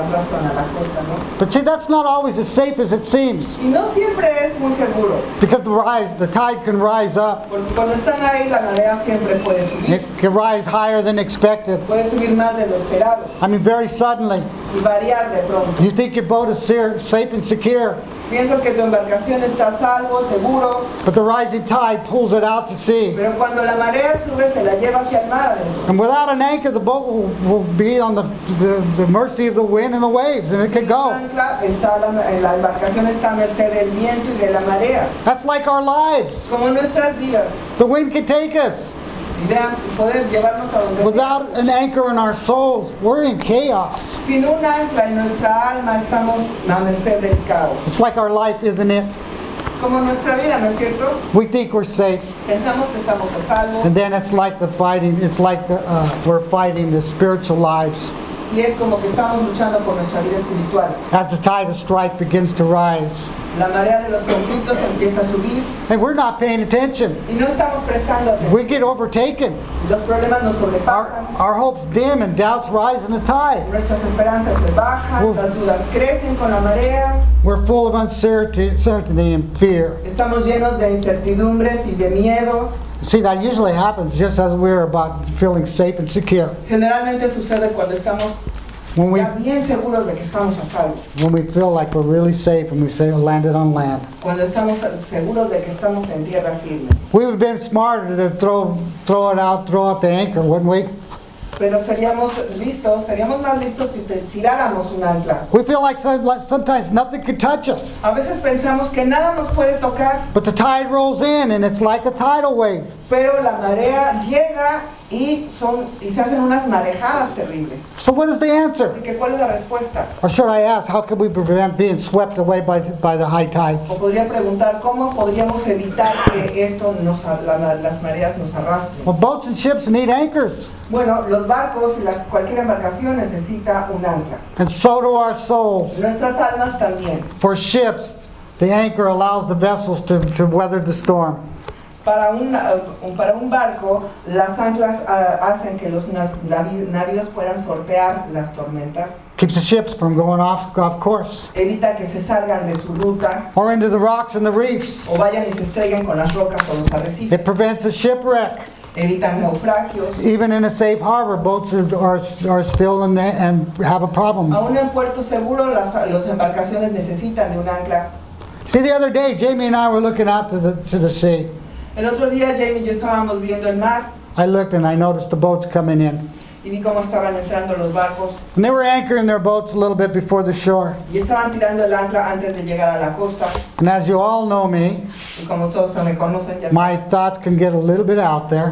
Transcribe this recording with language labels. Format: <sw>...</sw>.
<en>But see, that's not always as safe as it seems.</en> <es>Y no siempre es muy seguro.</es> <en>Because the tide can rise up.</en> <es>Porque cuando están ahí, la marea siempre puede subir.</es> <en>It can rise higher than expected.</en> <es>Puede subir más de lo esperado.</es> <en>I mean, very suddenly.</en> <es>Y variar de pronto.</es> <en>You think your boat is safe and secure.</en> <es>Piensas que tu embarcación está a salvo, seguro.</es> <en>But the rising tide pulls it out to sea.</en> <es>Pero cuando la marea sube, se la lleva hacia el mar adentro.</es> <en>And without an anchor, the boat will be on the mercy of the wind and the waves, and it could go.</en> <es>La embarcación está a merced del viento y de la marea.</es> <en>That's like our lives.</en> <es>Como nuestras vidas.</es> <en>The wind can take us. Without an anchor in our souls, we're in chaos.</en> <es>Sin un ancla en nuestra alma, estamos a merced del caos.</es> <en>It's like our life, isn't it?</en> <es>Como nuestra vida, ¿no es cierto?</es> <en>We think we're safe.</en> <es>Pensamos que estamos a salvo.</es> <en>And then it's like the fighting. It's like we're fighting the spiritual lives.</en> <es>Y es como que estamos luchando por nuestra vida espiritual.</es> <en>As the tide of strife begins to rise.</en> <es>La marea de los conflictos empieza a subir.</es> <en>And we're not paying attention.</en> <es>Y no estamos prestando atención.</es> <en>We get overtaken.</en> <es>Los problemas nos sobrepasan.</es> <en>Our hopes dim and doubts rise in the tide.</en> <es>Nuestras esperanzas se bajan, las dudas crecen con la marea.</es> <en>We're full of uncertainty and fear.</en> <es>Estamos llenos de incertidumbres y de miedo.</es> <en>See, that usually happens just as we're about feeling safe and secure.</en> <es>Generalmente sucede cuando estamos bien seguros de que estamos a salvo.</es> <en>When we feel like we're really safe and we say we landed on land.</en> <es>Cuando estamos seguros de que estamos en tierra firme.</es> <en>We would have been smarter to throw out the anchor, wouldn't we?</en> <es>Pero seríamos más listos si tiráramos un ancla.</es> <en>We feel like sometimes nothing can touch us.</en> <es>A veces pensamos que nada nos puede tocar.</es> <en>But the tide rolls in and it's like a tidal wave.</en> <es>Pero la marea llega y se hacen unas marejadas terribles.</es> <en>So what is the answer?</en> <es>Así que, ¿cuál es la respuesta?</es> <en>Or should I ask, how can we prevent being swept away by the high tides?</en> <es>O podría preguntar, ¿cómo podríamos evitar que esto nos, las mareas nos arrastren?</es> <en>Well, boats and ships need anchors.</en> <es>Bueno, los barcos y cualquier embarcación necesita un ancla.</es> <en>And so do our souls.</en> <es>Nuestras almas también.</es> <en>For ships, the anchor allows the vessels to weather the storm.</en> <es>Para un barco, las anclas hacen que los navíos puedan sortear las tormentas.</es> <en>Keeps the ships from going off course.</en> <es>Evita que se salgan de su ruta.</es> <en>Or into the rocks and the reefs.</en> <es>O vayan y se estrellen con las rocas o los arrecifes.</es> <en>It prevents a shipwreck.</en> <es>Evitan naufragios.</es> <en>Even in a safe harbor, boats are still in there and have a problem.</en> <es>Aún en puerto seguro, las embarcaciones necesitan de un ancla.</es> <en>See, the other day, Jamie and I were looking out to the sea.</en> <es>El otro día, Jamie y yo estábamos viendo el mar.</es> <en>I looked and I noticed the boats coming in.</en> <es>Y vi cómo estaban entrando los barcos.</es> <en>And they were anchoring their boats a little bit before the shore.</en> <es>Y estaban tirando el ancla antes de llegar a la costa.</es> <en>And as you all know me,</en> <es>y como todos me conocen, ya</es> <en>my thoughts can get a little bit out there.</en>